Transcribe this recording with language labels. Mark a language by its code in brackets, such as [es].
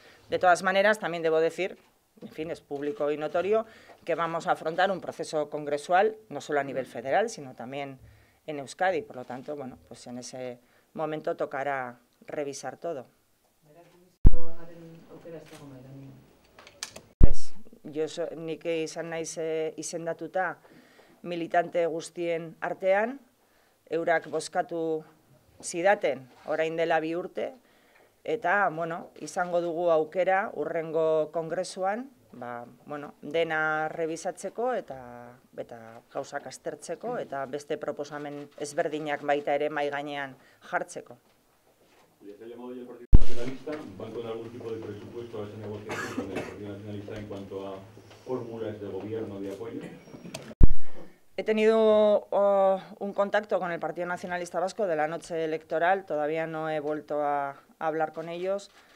[es] De todas maneras, también debo decir, en fin, es público y notorio, que vamos a afrontar un proceso congresual, no solo a nivel federal, sino también en Euskadi. Por lo tanto, bueno, pues en ese momento tocará revisar todo. Pues, yo [eu] nik izan naiz izendatuta militante guztien artean, eurak bozkatu zidaten orain dela bi urte, eta, bueno, izango dugu aukera urrengo kongresuan, dena revisatzeko eta gauzak aztertzeko eta beste proposamen ezberdinak baita ere mai gainean jartzeko. [es] ¿Les ha llamado ya el Partido Nacionalista? ¿Van con algún tipo de presupuesto a esa negociación con el Partido Nacionalista en cuanto a fórmulas de gobierno de apoyo? He tenido un contacto con el Partido Nacionalista Vasco de la noche electoral, todavía no he vuelto a hablar con ellos.